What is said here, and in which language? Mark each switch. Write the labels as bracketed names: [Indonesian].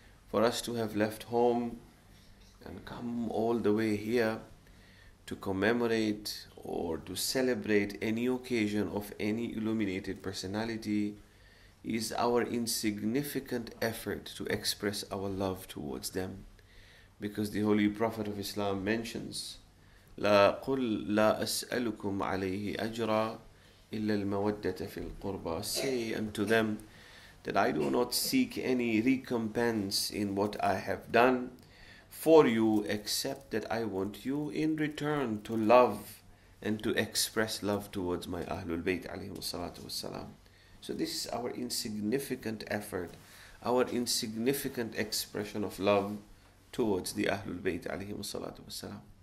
[English] For us to have left home and come all the way here to commemorate or to celebrate any occasion of any illuminated personality is our insignificant effort to express our love towards them. Because the Holy Prophet of Islam mentions, [Arabic] لَا قُلْ لَا أَسْأَلُكُمْ عَلَيْهِ أَجْرًا إِلَّا الْمَوَدَّةَ فِي الْقُرْبَى. [English] Say unto them that I do not seek any recompense in what I have done for you, except that I want you in return to love and to express love towards my Ahlul Bayt alayhimu salatu wassalam. So this is our insignificant effort, our insignificant expression of love towards the Ahlul Bayt alayhimu salatu wassalam.